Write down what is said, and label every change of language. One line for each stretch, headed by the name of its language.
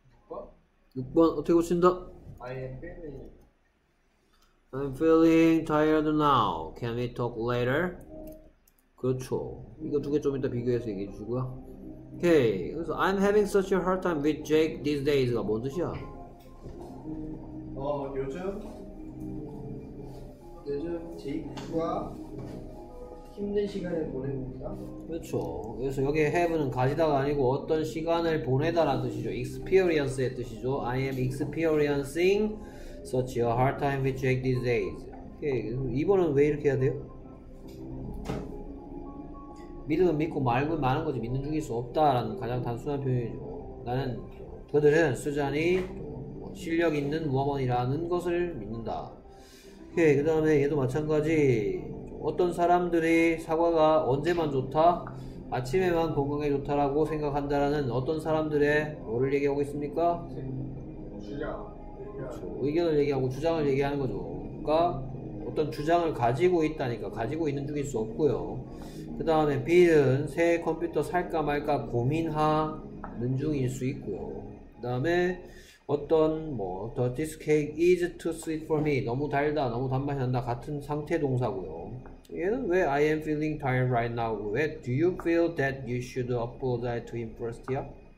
Korean: 6번 어떻게 고친다?
English: I'm feeling tired now. Can we talk later?
Korean: 그렇죠. 이거 두개좀 이따 비교해서 얘기해 주시고요.
English: Okay.
Korean: 그래서
English: I'm having such a hard time with Jake these days
Korean: 가 뭔 뜻이야? 요즘 제이크와 힘든 시간을 보내고 있다. 그렇죠. 그래서 여기 have는 가지다가 아니고 어떤 시간을 보내다라는 뜻이죠. experience의 뜻이죠.
English: I am experiencing such a hard time with Jake these days.
Korean: 이번은 왜 이렇게 해야 돼요? 믿음은 믿고 말고 많은 거지 믿는 중일 수 없다라는 가장 단순한 표현이죠. 나는 그들은 수잔이 실력 있는 무험원이라는 것을 믿는다. 오케이, 그 다음에 얘도 마찬가지. 어떤 사람들이 사과가 언제만 좋다? 아침에만 건강에 좋다라고 생각한다라는 어떤 사람들의 뭐를 얘기하고 있습니까? 그렇죠. 의견을 얘기하고 주장을 얘기하는 거죠. 그러니까 어떤 주장을 가지고 있다니까 가지고 있는 중일 수 없고요. 그 다음에 빌은 새 컴퓨터 살까 말까 고민하는 중일 수 있고요. 그 다음에 어떤 뭐
English: the this cake is too sweet for me.
Korean: 너무 달다, 너무 단맛이 난다 같은 상태 동사고요. 얘는 왜
English: I am feeling tired right now?
Korean: 왜
English: do you feel that you should apologize to him first야?